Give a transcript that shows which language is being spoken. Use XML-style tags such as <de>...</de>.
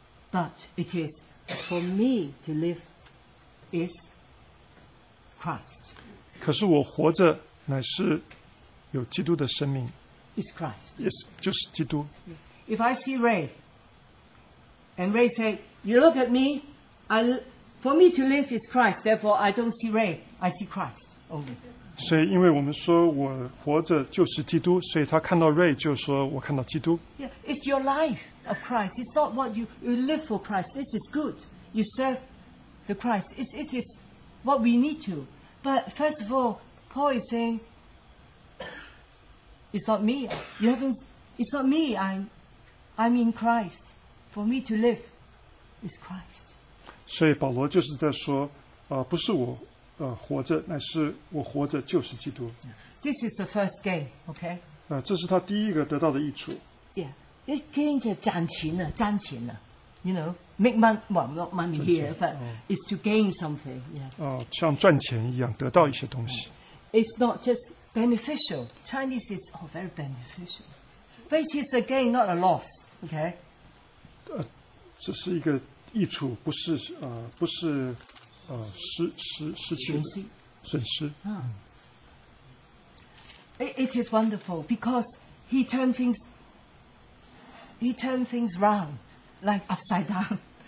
<en>But it is for me to live is Christ.</en> <zh>可是我活着乃是有基督的生命。</zh> <en>Is Christ.</en> <zh>Yes, 就是基督。</zh> <en>If I see Ray. And Ray said, "You look at me. For me to live is Christ. Therefore, I don't see Ray. I see Christ only."</en> <zh>所以，因为我们说我活着就是基督，所以他看到 Ray 就说我看到基督。</zh> <en>Yeah, it's your life of Christ. It's not what you live for Christ. This is good. You serve the Christ. It is what we need to. But first of all, Paul is saying, it's not me. You haven't. It's not me. I'm in Christ. For me to live is Christ.</en> <zh>所以保罗就是在说, 不是我, 活着, 乃是我活着就是基督。</zh> <en>This is the first gain, okay?</en> <zh>这是他第一个得到的益处。</zh> <en>Yeah. It gains</en> <zh>赚钱了。</zh> <en>You know, make money, well, not money</en> <zh>赚钱,</zh> <en>here, but it's to gain something. Yeah.</en> <zh>像赚钱一样, 得到一些东西。</zh> <en>It's not just beneficial. Chinese is very beneficial. But it's a gain, not a loss, okay?</en> <zh>这是一个益处, 不是, 不是, 失去的损失。</zh> <en>It is wonderful because he turned things round, like upside down.</en>